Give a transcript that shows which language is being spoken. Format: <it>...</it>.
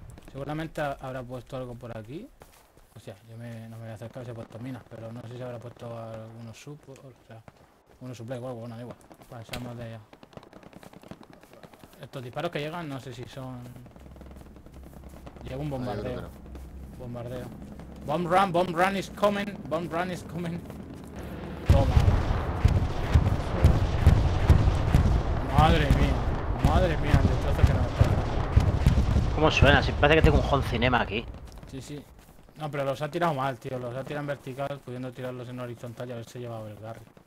<es>Seguramente habrá puesto algo por aquí. O sea, no me voy a acercar si he puesto minas, pero no sé si habrá puesto algunos sub, o sea, unos suplex o algo, bueno, igual. Pasamos de allá. Estos disparos que llegan, no sé si son... Llega un bombardeo.</es> <en>bomb run is coming, bomb run is coming.</en> <es>Toma. Madre mía, el destrozo que nos pasa. ¿Cómo suena? Si parece que tengo un home cinema aquí. Sí, sí. No, pero los ha tirado mal, tío. Los ha tirado en vertical, pudiendo tirarlos en horizontal y haberse llevado el Garry.</es>